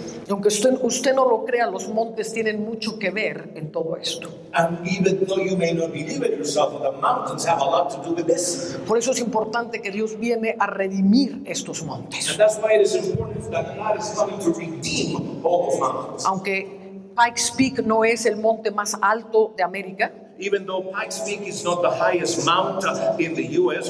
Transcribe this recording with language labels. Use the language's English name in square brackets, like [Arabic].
[Spanish] Y aunque usted no lo crea, los montes tienen mucho que ver en todo esto. [English] And even though you may not believe it yourself, the mountains have a lot to do with this. [Spanish] Por eso es importante que Dios viene a redimir estos montes. [English] And that's why it is important that God is coming to redeem all those mountains. [Spanish] Aunque Pikes Peak no es el monte más alto de América. [English] Even though Pikes Peak is not the highest mountain in the U.S.